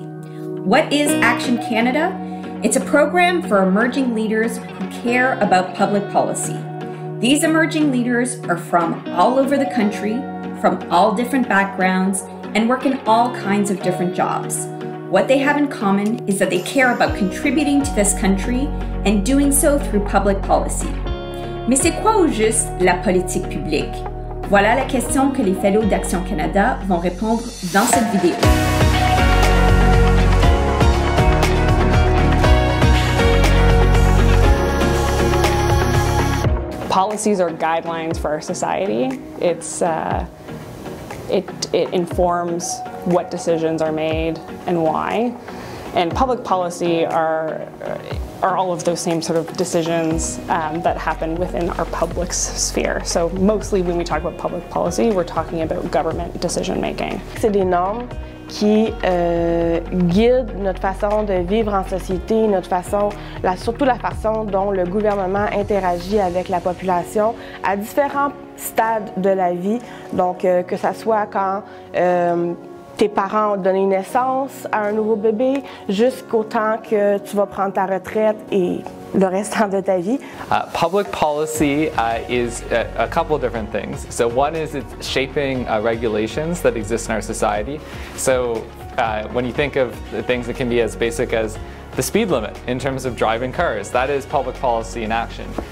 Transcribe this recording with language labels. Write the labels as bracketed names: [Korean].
[English] What is Action Canada? It's a program for emerging leaders who care about public policy. These emerging leaders are from all over the country, from all different backgrounds, and work in all kinds of different jobs. What they have in common is that they care about contributing to this country and doing so through public policy. [French] Mais c'est quoi au juste la politique publique? Voilà la question que les fellows d'Action Canada vont répondre dans cette vidéo. [English] Policies are guidelines for our society. It informs what decisions are made and why. And public policy are all of those same sort of decisions that happen within our public sphere. So mostly when we talk about public policy, we're talking about government decision making. [French] C'est des normes qui guident notre façon de vivre en société, notre façon, surtout la façon dont le gouvernement interagit avec la population à différents stades de la vie. Donc que ça soit quand tes parents ont donné naissance à un nouveau bébé, jusqu'au temps que tu vas prendre ta retraite et le restant de ta vie. [English] Public policy is a couple of different things. So one is it's shaping regulations that exist in our society. So when you think of the things that can be as basic as the speed limit in terms of driving cars, that is public policy in action.